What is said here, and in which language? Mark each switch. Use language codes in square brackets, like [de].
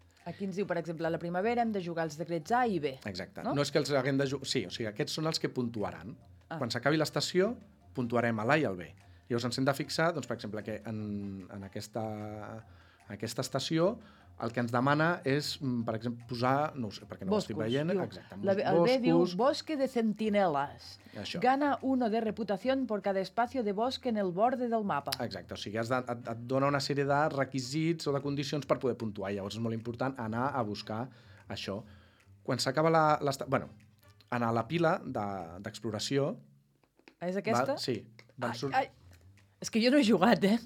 [ca] Aquí ens diu, per exemple, a la primavera hem de jugar els decrets A i B. Exacte. No és que els haguem de jugar... Sí, o sigui, aquests són els que puntuaran. Ah. Quan s'acabi l'estació, puntuarem a l'A i al B. Llavors ens hem de fixar, doncs, per exemple, que en aquesta estació el que ens demana és, per exemple, posar... No ho sé, perquè no boscos, ho estic veient. Diu, exacte, el B diu, [es] bosque de centinelas. Gana uno de reputación por cada espacio de bosque en el borde del mapa. [ca] Exacte, o sigui, et dona una sèrie de requisits o de condicions per poder puntuar. Llavors és molt important anar a buscar això. Quan s'acaba l'estació... Bueno, anar a la pila d'exploració... És aquesta? Sí. És que jo no he jugat, eh?